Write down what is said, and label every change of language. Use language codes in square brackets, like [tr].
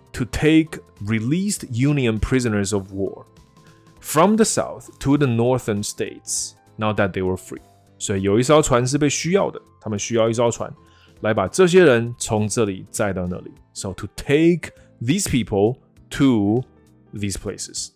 [en] To take released Union prisoners of war from the South to the Northern states, now that they were free. [zh] 所以有一艘船是被需要的，他们需要一艘船来把这些人从这里载到那里。 [en] So to take these people to these places.